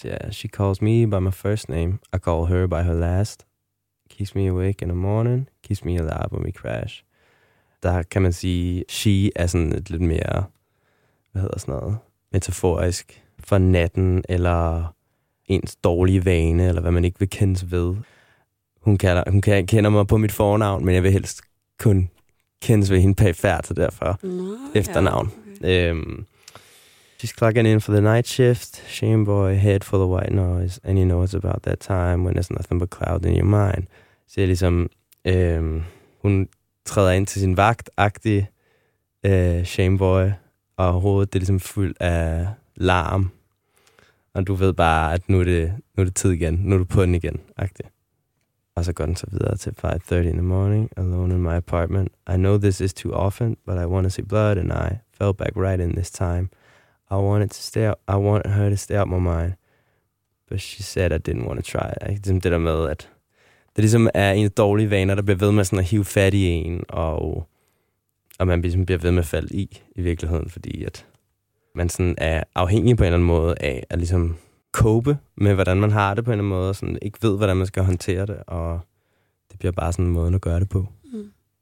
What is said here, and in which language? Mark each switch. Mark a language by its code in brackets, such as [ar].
[en] She calls me by my first name. I call her by her last. Kiss me awake in the morning. Kiss me alive when we crash. [da] Der kan man sige, she er sådan et lidt mere, hvad hedder sådan noget, metaforisk for natten, eller ens dårlige vane, eller hvad man ikke vil kendes ved. Hun kender mig på mit fornavn, men jeg vil helst kun kendes ved hende pæfærd, så derfor efternavn. Okay. [en] She's clocking in for the night shift. Shame boy, head full of white noise. And you know it's about that time when there's nothing but cloud in your mind. [da] Så jeg ligesom, hun træder ind til sin vagt-agtig shameboy, og hovedet det er ligesom fuld af larm. Og du ved bare, at nu er det tid igen. Nu er du på den igen-agtig. Og så går den så videre til 5:30 [en] in the morning, alone in my apartment. I know this is too often, but I want to see blood, and I fell back right in this time. I want her to stay out my mind. But she said I didn't want to try. [da] Det er det der med, at det ligesom er en dårlig vane, der bliver ved med sådan at hive fat i en, og man ligesom bliver ved med at falde i virkeligheden, fordi at man sådan er afhængig på en eller anden måde af at ligesom cope med, hvordan man har det på en eller anden måde, og sådan ikke ved, hvordan man skal håndtere det, og det bliver bare sådan en måde at gøre det på. Mm.